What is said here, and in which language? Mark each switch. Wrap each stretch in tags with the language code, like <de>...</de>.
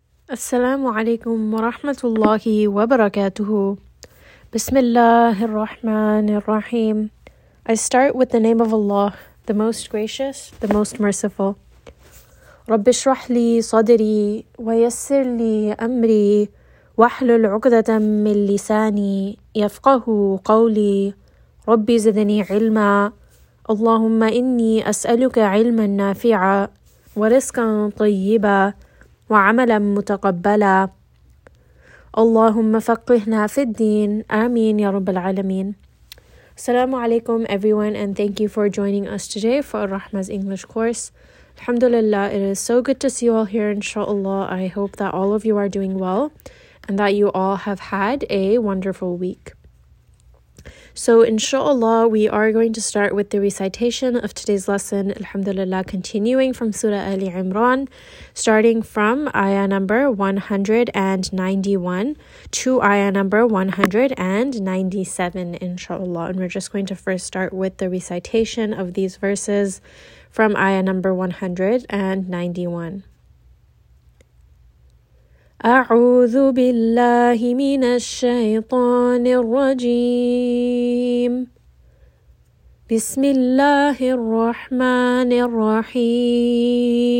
<ar>السلام عليكم ورحمة الله وبركاته. بسم الله الرحمن الرحيم.</ar> <en>I start with the name of Allah, the most gracious, the most merciful.</en> <ar>رب اشرح لي صدري ويسر لي أمري واحلل عقدة من لساني يفقه قولي رب زدني علما اللهم إني أسألك علما نافعا ورزقا طيبا وعملا متقبلا اللهم فقهنا في الدين آمين يا رب العالمين. السلام عليكم</ar> <en>everyone and thank you for joining us today for Rahma's English course. Alhamdulillah, it is so good to see you all here inshallah. I hope that all of you are doing well and that you all have had a wonderful week. So inshallah, we are going to start with the recitation of today's lesson, alhamdulillah, continuing from Surah Ali Imran, starting from ayah number 191 to ayah number 197, inshallah. And we're just going to first start with the recitation of these verses from ayah number 191.</en> <ar>أعوذ بالله من الشيطان الرجيم بسم الله الرحمن الرحيم</ar>